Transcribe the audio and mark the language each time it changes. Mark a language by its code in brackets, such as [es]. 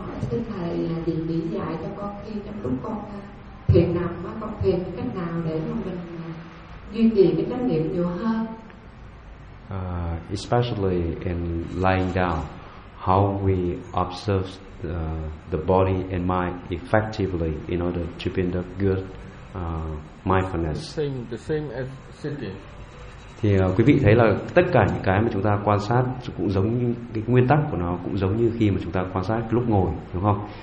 [vi] Xin thầy định lý giải cho con khi trong lúc con thiền nằm mà con thiền cách nào để mà mình duy trì cái chánh niệm nhiều hơn. [en] Especially in lying down, how we observe the body and mind effectively in order to build up good mindfulness. The same as sitting. [vi] Thì quý vị thấy là tất cả những cái mà chúng ta quan sát cũng giống như cái nguyên tắc của nó cũng giống như khi mà chúng ta quan sát lúc ngồi, đúng không?